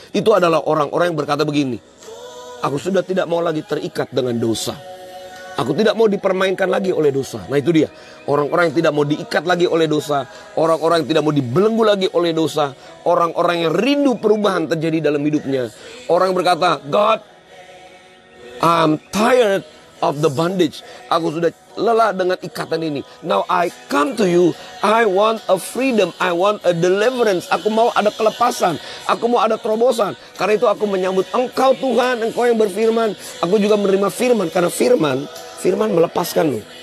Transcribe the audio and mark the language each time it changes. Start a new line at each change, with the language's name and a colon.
Indonesian: Itu adalah orang-orang yang berkata begini, aku sudah tidak mau lagi terikat dengan dosa. Aku tidak mau dipermainkan lagi oleh dosa. Nah itu dia, orang-orang yang tidak mau diikat lagi oleh dosa, orang-orang yang tidak mau dibelenggu lagi oleh dosa, orang-orang yang rindu perubahan terjadi dalam hidupnya. Orang berkata,
English: God, I'm tired of the bondage.
Indonesian: Aku sudah lelah dengan ikatan ini.
English: Now I come to you, I want a freedom, I want a deliverance.
Indonesian: Aku mau ada kelepasan, aku mau ada terobosan. Karena itu aku menyambut Engkau Tuhan, Engkau yang berfirman. Aku juga menerima firman, karena firman melepaskan lo.